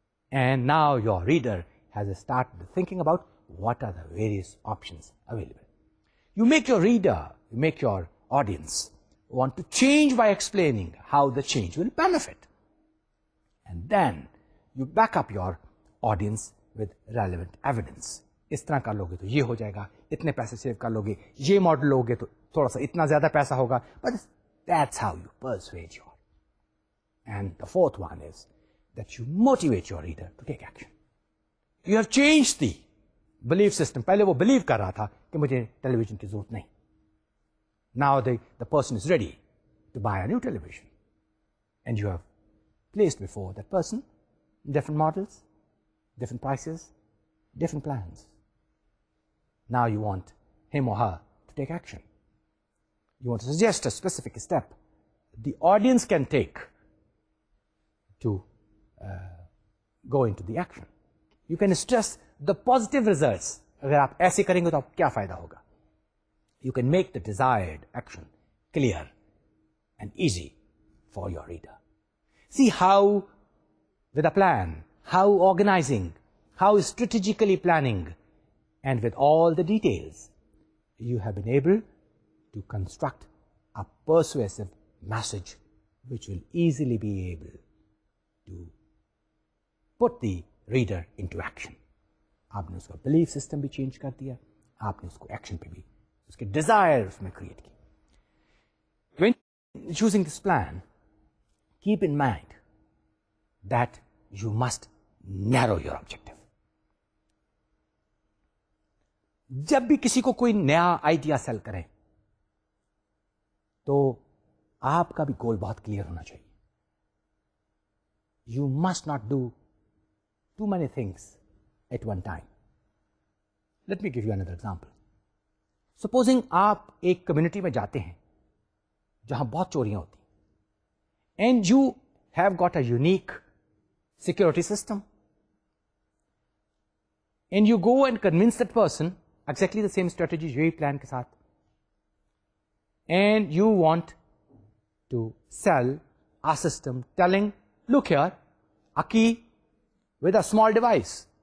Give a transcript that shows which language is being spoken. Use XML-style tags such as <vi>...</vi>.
<en>And now your reader has started thinking about what are the various options available. You make your reader, you make your audience want to change by explaining how the change will benefit. And then you back up your audience with relevant evidence.</en> <ur>اس طرح کر لو گے تو یہ ہو جائے گا, اتنے پیسے save کر لو گے, یہ ماڈل لو گے تو تھوڑا سا اتنا زیادہ پیسہ ہوگا.</ur> <en>But that's how you persuade your. And the fourth one is that you motivate your reader to take action. You have changed the belief system.</en> <ur>پہلے وہ believe کر رہا تھا کہ مجھے television کی ضرورت نہیں.</ur> <en>Now the person is ready to buy a new television. And you have placed before that person different models, different prices, different plans. Now you want him or her to take action. You want to suggest a specific step the audience can take to go into the action. You can stress the positive results.</en> <ur>اگر آپ ایسے کریں گے تو آپ کیا فائدہ ہوگا.</ur> <en>You can make the desired action clear and easy for your reader. See how with a plan, how organizing, how strategically planning, and with all the details, you have been able to construct a persuasive message which will easily be able to put the reader into action.</en> <ur>آپ نے اس کا belief system بھی change کر دیا, آپ نے اس کو action پہ بھی اس کے ڈیزائر اس میں کریٹ کی.</ur> <en>When choosing this plan, keep in mind that you must narrow your objective.</en> <ur>جب بھی کسی کو کوئی نیا آئیڈیا سیل کریں تو آپ کا بھی گول بہت کلیئر ہونا چاہیے.</ur> <en>you must not do too many things at one time. Let me give you another example. Supposing</en> <ur>aap ek community mein jaate hain jahan bahut choriyan hoti,</ur> <en>and you have got a unique security system, and you go and convince that person exactly the same strategy</en> <ur>jo hi plan ke saath,</ur> <en>and you want to sell a system telling, look here, a key with a small device.</en>